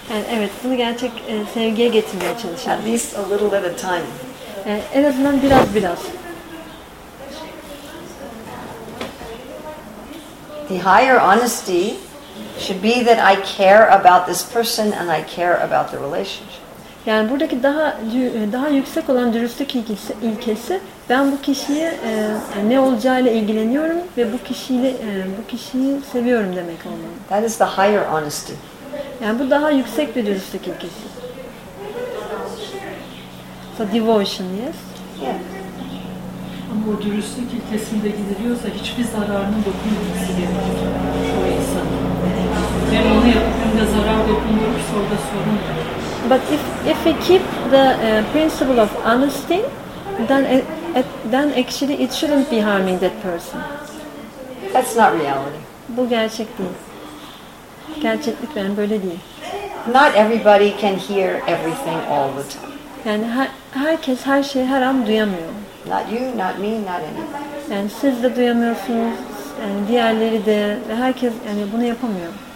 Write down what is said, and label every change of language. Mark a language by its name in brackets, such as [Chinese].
[Turkish] Evet, bunu gerçek sevgiye getirmeye çalışalım. [English] At least a little at a time. [Turkish] En azından biraz biraz. [English] The higher honesty should be that I care about this person and I care about the relationship. [Turkish] Yani buradaki daha yüksek olan dürüstlük ilkesi, ben bu kişiye ne olacağıyla ilgileniyorum ve bu kişiyi seviyorum demek olmalı. [English] That is the higher honesty. [Turkish] Yani bu daha yüksek bir dürüstlük ilkesi. [English] So devotion, yes? Yes. [Turkish] Ama o dürüstlük ilkesinde gidiliyorsa hiçbir zararının dokunulması gerekiyor o insan. Ben onu yapıp zarar dokundurursa orada sorun var. [English] But if we keep the principle of honesty, then actually it shouldn't be harming that person. That's not reality. [Turkish] Bu gerçek değil. Gerçeklik ben böyle değil. [English] Not everybody can hear everything all the time. [Turkish] Yani herkes her şeyi her an duyamıyor. [English] Not you, not me, not anybody. [Turkish] Yani siz de duyamıyorsunuz, yani diğerleri de, herkes yani bunu yapamıyor.